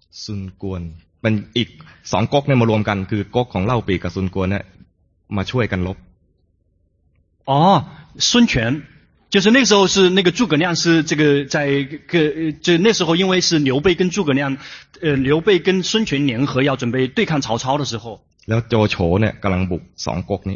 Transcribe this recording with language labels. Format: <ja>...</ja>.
<th>ซุนกวนมันอีกสองก๊กเนี่ยมารวมกันคือก๊กของเล่าปีกับซุนกวนเนี่ยมาช่วยกันลบ</th> <zh>อ๋อซุนเฉียน就是那时候是那个诸葛亮是这个在个就那时候因为是刘备跟诸葛亮刘备跟孙权联合要准备对抗曹操的时候</zh> <th>แล้วโจโฉเนี่ยกำลังบุกสองก๊กนี</th>